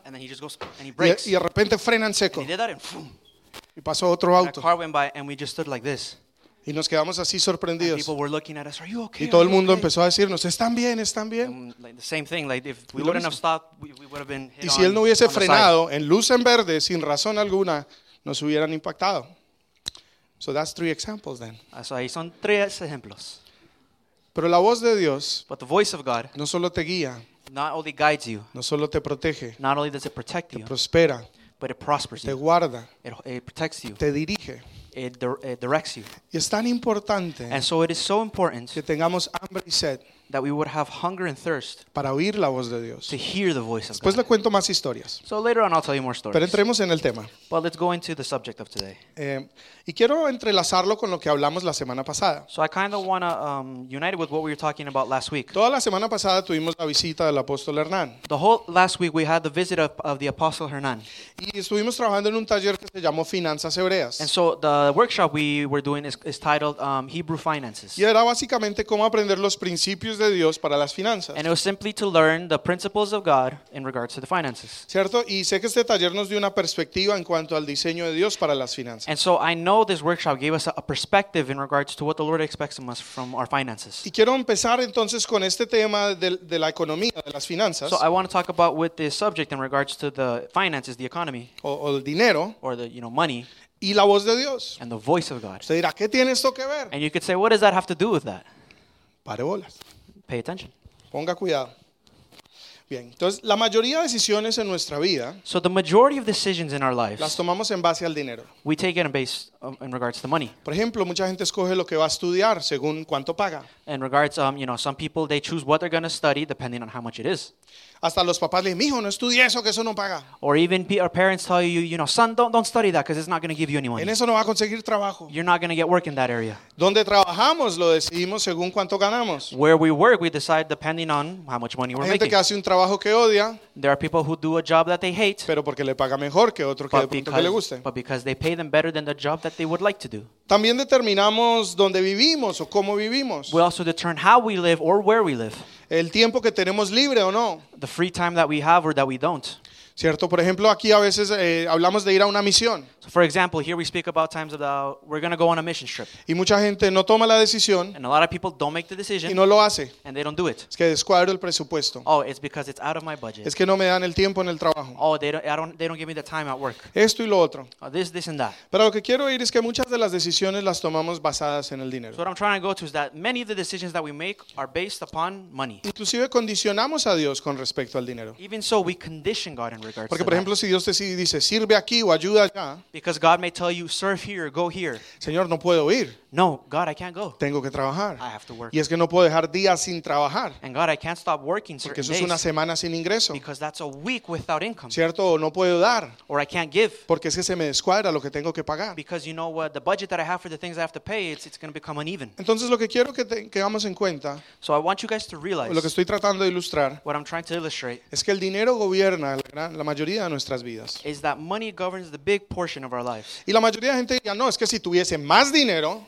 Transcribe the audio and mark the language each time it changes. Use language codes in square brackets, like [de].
[en] And then he just goes and he breaks. [es] Y de repente frena en seco. [en] And he did that and boom. [es] Y pasó otro auto. [en] And a car went by and we just stood like this. [es] Y nos quedamos así sorprendidos. [en] People were looking at us, are you okay? [es] Y todo el mundo [en] okay? [es] empezó a decirnos, están bien, [en] like the same thing, like if we wouldn't have stopped, we would have been hit. [es] Y si él no hubiese frenado en luz en verde sin razón alguna, nos hubieran impactado. [en] So that's three examples then. [es] Eso ahí son tres ejemplos. Pero la voz de Dios, [en] but the voice of God, [es] no solo te guía, [en] not only guides you, [es] no solo te protege, [en] not only does it protect you, [es] te prospera, [en] but it prospers [es] te [en] you, [es] guarda, [en] it protects you, [es] te dirige. [en] It directs you. [es] Y es tan importante, [en] and so it is so important [es] que tengamos hambre y sed, [en] that we would have hunger and thirst [es] para oír la voz de Dios, [en] to hear the voice of [es] después [en] God. [es] Le cuento más historias. [en] So later on I'll tell you more stories. [es] Pero entremos en el tema. [en] But let's go into the subject of today. [es] Y quiero entrelazarlo con lo que hablamos la semana pasada. [en] So I kind of want to unite it with what we were talking about last week. [es] Toda la semana pasada tuvimos la visita del apóstol Hernán. [en] The whole last week we had the visit of the apostle Hernán. [es] Y estuvimos trabajando en un taller que se llamó Finanzas Hebreas. [en] And so the workshop we were doing is titled Hebrew Finances. [es] Y era básicamente cómo aprender los principios de Dios para las finanzas. [en] And it was simply to learn the principles of God in regards to the finances. [es] ¿Cierto? Y sé que este taller nos dio una perspectiva en cuanto al diseño de Dios para las finanzas. [en] And so I know this workshop gave us a perspective in regards to what the Lord expects from us from our finances. [es] Y quiero empezar entonces con este tema de la economía, de las finanzas. [en] So I want to talk about with this subject in regards to the finances, the economy. [es] O el dinero. [en] Or the, you know, money. [es] Y la voz de Dios. [en] And the voice of God. [es] Usted dirá, ¿qué tiene esto que ver? [en] And you could say, what does that have to do with that? [es] Pare bolas. [en] Pay attention. [es] Ponga cuidado. Bien, entonces la mayoría de decisiones en nuestra vida, [en] so the majority of decisions in our lives, [es] las tomamos en base al dinero. [en] We take it based in regards to the money. [es] Por ejemplo, mucha gente escoge lo que va a estudiar según cuánto paga. [en] In regards, you know, some people they choose what they're going to study depending on how much it is. [es] Hasta los papás le dicen, mijo, no estudie eso, que eso no paga. [en] Or even our parents tell you, you know, son, don't study that because it's not going to give you any money. [es] En eso no va a conseguir trabajo. [en] You're not going to get work in that area. [es] Donde trabajamos lo decidimos según cuánto ganamos. [en] Where we work, we decide depending on how much money we're making. [es] Gente que hace un trabajo que odia. [en] There are people who do a job that they hate. [es] Pero porque le paga mejor que otro que de pronto que le guste. [en] But because they pay them better than the job that they would like to do. [es] También determinamos dónde vivimos o cómo vivimos. [en] We also determine how we live or where we live. [es] El tiempo que tenemos libre o no. [en] The free time that we have or that we don't. [es] Cierto, por ejemplo, aquí a veces hablamos de ir a una misión. [en] So for example, here we speak about times of we're going to go on a mission trip. [es] Y mucha gente no toma la decisión. [en] And a lot of people don't make the decision. [es] Y no lo hace. [en] And they don't do it. [es] Es que descuadro el presupuesto. [en] Oh, it's because it's out of my budget. [es] Es que no me dan el tiempo en el trabajo. [en] Oh, they don't give me the time at work. [es] Esto y lo otro. [en] Oh, this and that. [es] Pero lo que quiero ir es que muchas de las decisiones las tomamos basadas en el dinero. [en] So what I'm trying to go to is that many of the decisions that we make are based upon money. [es] Inclusive condicionamos a Dios con respecto al dinero. [en] Even so, we condition God in. [es] Porque, por ejemplo, si Dios te dice, sirve aquí o ayuda allá. [en] Because God may tell you, serve here, go here. [es] Señor, no puedo ir. [en] No, God, I can't go. [es] Tengo que trabajar. [en] I have to work. [es] Y es que no puedo dejar días sin trabajar. [en] And God, I can't stop working certain days. [es] Porque eso es una semana sin ingreso. [en] Because that's a week without income. [es] Cierto, o no puedo dar. [en] Or I can't give. [es] Porque es que se me descuadra lo que tengo que pagar. [en] Because you know what, the budget that I have for the things I have to pay, it's going to become uneven. [es] Entonces, lo que quiero que tengamos en cuenta. [en] So I want you guys to realize. [es] Lo que estoy tratando de ilustrar. [en] What I'm trying to illustrate. [es] Es que el dinero gobierna la mayoría de nuestras vidas. [en] Is that money governs the big portion. direction of our lives. [es] Y la mayoría de gente diría, no, es que si tuviese más dinero.